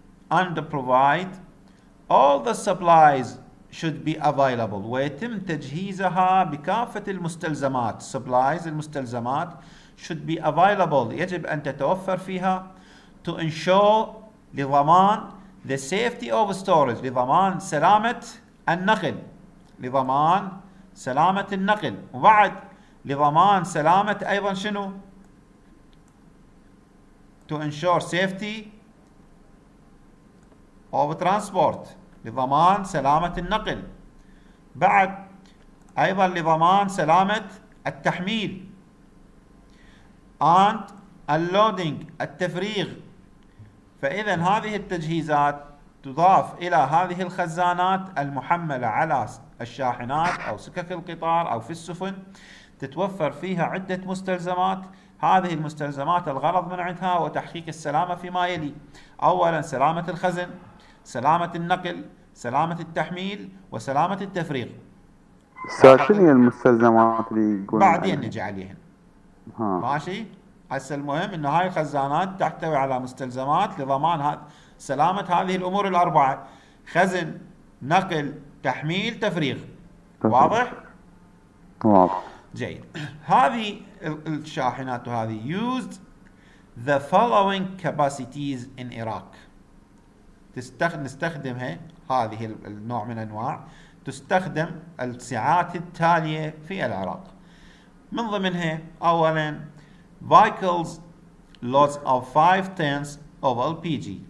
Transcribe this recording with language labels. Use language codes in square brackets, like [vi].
[en] And provide all the supplies should be available، [ar] ويتم تجهيزها بكافة المستلزمات. [en] Supplies [ar] المستلزمات [en] should be available، [ar] يجب أن تتوفر فيها. [en] To ensure [ar] لضمان [en] the safety of storage، [ar] لضمان سلامة النقل، لضمان سلامة النقل، وبعد لضمان سلامة أيضا شنو؟ [en] To ensure safety of transport، [ar] لضمان سلامة النقل، بعد أيضا لضمان سلامة التحميل. [en] And unloading [ar] التفريغ. فإذا هذه التجهيزات تضاف إلى هذه الخزانات المحملة على الشاحنات أو سكك القطار أو في السفن، تتوفر فيها عدة مستلزمات. هذه المستلزمات الغرض من عندها وتحقيق السلامة فيما يلي: أولا سلامة الخزن، سلامة النقل، سلامة التحميل، وسلامة التفريغ. شنو هي المستلزمات اللي يقولون بعدين نجي عليهم؟ ماشي. هسه المهم انه هاي الخزانات تحتوي على مستلزمات لضمان سلامة هذه الامور الاربعة: خزن، نقل، تحميل، تفريغ. واضح؟ واضح. جيد. هذه الشاحنات وهذه [en] used the following capacities in Iraq. [ar] نستخدمها هذه النوع من انواع، تستخدم السعات التالية في العراق. من ضمنها اولا [en] vehicles loads of 5 tons of LPG.